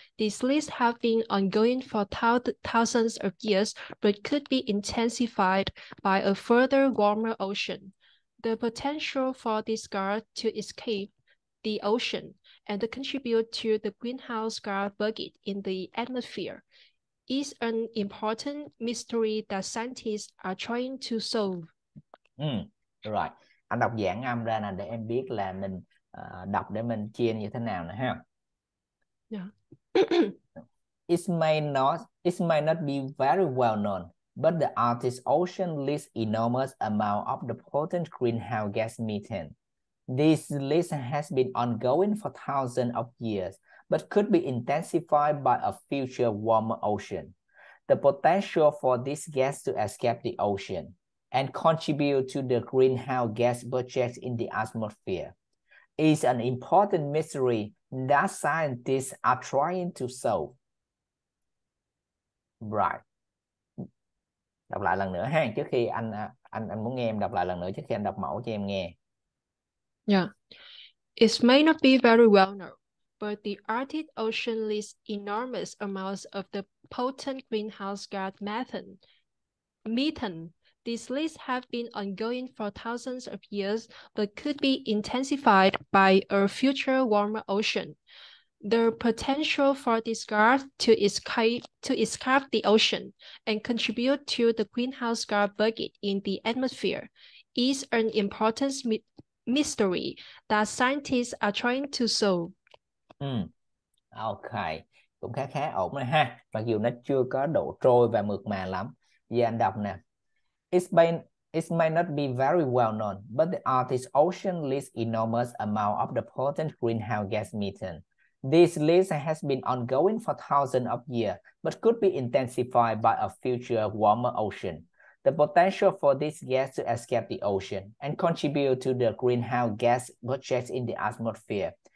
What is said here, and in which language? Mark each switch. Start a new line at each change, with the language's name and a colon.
English: This list has been ongoing for thousands of years, but could be intensified by a further warmer ocean. The potential for this gas to escape the ocean and contribute to the greenhouse gas burgeoning in the atmosphere is an important mystery that scientists are trying to solve. Right.
Vietnamese: Anh đọc giảng âm ra nè để em biết là mình đọc để mình chia như thế nào nè ha.
English: Yeah. It may not be very well known, but the Arctic Ocean lists enormous amount of the potent greenhouse gas methane. This list has been ongoing for thousands of years, but could be intensified by a future warmer ocean. The potential for this gas to escape the ocean and contribute to the greenhouse gas budget in the atmosphere is an important mystery that scientists are trying to solve. Right.
Vietnamese: Đọc lại lần nữa ha, trước khi anh muốn nghe em đọc lại lần nữa trước khi anh đọc mẫu cho em nghe.
English: Yeah. It may not be very well known, but the Arctic Ocean lists enormous amounts of the potent greenhouse gas methane. This list has been ongoing for thousands of years, but could be intensified by a future warmer ocean. The potential for this gas to escape the ocean and contribute to the greenhouse gas burgeoning in the atmosphere is an important mystery that scientists are trying to solve.
Vietnamese: Ok, cũng khá khá ổn rồi ha, mặc dù nó chưa có độ trôi và mượt mà lắm. Giờ anh đọc nè.
English: It may not be very well known, but the Arctic Ocean lists enormous amount of the potent greenhouse gas methane. This list has been ongoing for thousands of years, but could be intensified by a future warmer ocean. The potential for this gas to escape the ocean and contribute to the greenhouse gas budget in the atmosphere